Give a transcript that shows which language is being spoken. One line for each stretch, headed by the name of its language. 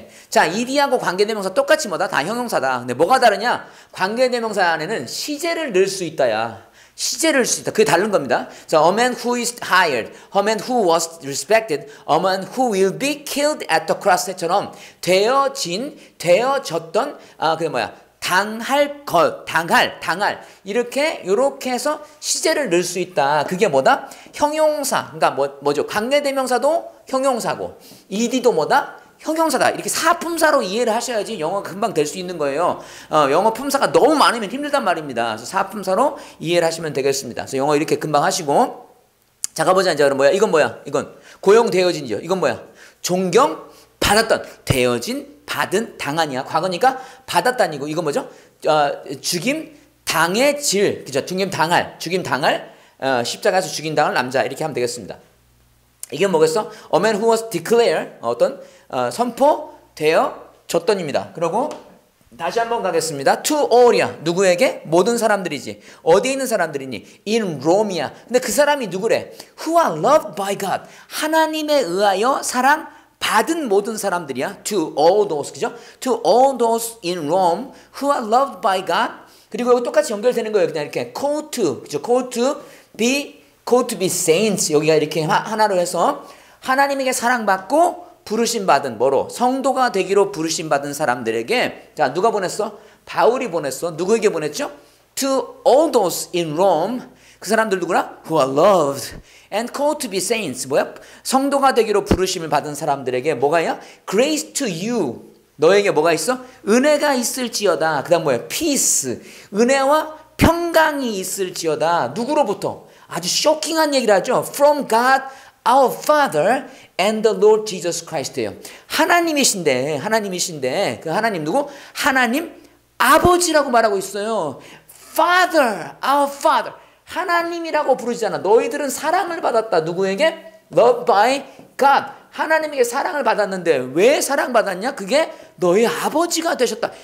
Korean: 자, ED하고 관계대명사 똑같이 뭐다? 다 형용사다. 근데 뭐가 다르냐? 관계대명사 안에는 시제를 넣을 수 있다야. 시제를 쓸 수 있다. 그게 다른 겁니다.
English: So, a man who is hired, a man who was respected, a man who will be killed at the cross
Korean: 처럼 되어졌던, 당할. 이렇게 해서 시제를 넣을 수 있다. 그게 뭐다? 형용사. 그러니까 뭐죠? 관계대명사도 형용사고, ED도 뭐다? 형용사다. 이렇게 사품사로 이해를 하셔야지 영어가 금방 될 수 있는 거예요. 영어 품사가 너무 많으면 힘들단 말입니다. 그래서 사품사로 이해를 하시면 되겠습니다. 그래서 영어 이렇게 금방 하시고. 자, 가보자. 이제 그럼 뭐야? 이건 뭐야? 이건 고용되어진지요. 이건 뭐야? 존경 받았던, 되어진, 받은, 당한이야. 과거니까 받았다니고. 이건 뭐죠? 죽임 당해 질. 그죠? 죽임 당할. 십자가에서 죽임 당할 남자. 이렇게 하면 되겠습니다. 이게 뭐겠어?
English: A man who was declared.
Korean: 어떤? 선포되어졌던입니다. 그리고 다시 한번 가겠습니다. To all이야. 누구에게? 모든 사람들이지. 어디에 있는 사람들이니?
English: In Rome이야.
Korean: 근데 그 사람이 누구래?
English: Who are loved by God.
Korean: 하나님에 의하여 사랑받은 모든 사람들이야.
English: To all those. 그죠? To all those in Rome who are loved by God.
Korean: 그리고 여기 똑같이 연결되는 거예요. 그냥 이렇게
English: call to be saints.
Korean: 여기가 이렇게 하나로 해서 하나님에게 사랑받고 부르심 받은, 뭐로? 성도가 되기로 부르심 받은 사람들에게. 자, 누가 보냈어? 바울이 보냈어. 누구에게 보냈죠?
English: To all those in Rome.
Korean: 그 사람들 누구라?
English: Who are loved and called to be saints.
Korean: 뭐야? 성도가 되기로 부르심을 받은 사람들에게 뭐가요?
English: Grace to you.
Korean: 너에게 뭐가 있어? 은혜가 있을지어다. 그 다음 뭐야? Peace. 은혜와 평강이 있을지어다. 누구로부터? 아주 쇼킹한 얘기를 하죠.
English: From God our Father and the Lord Jesus Christ예요.
Korean: 하나님이신데 그 하나님 누구? 하나님 아버지라고 말하고 있어요.
English: Father, our Father.
Korean: 하나님이라고 부르시잖아. 너희들은 사랑을 받았다. 누구에게?
English: Loved by God.
Korean: 하나님에게 사랑을 받았는데 왜 사랑받았냐? 그게 너희 아버지가 되셨다.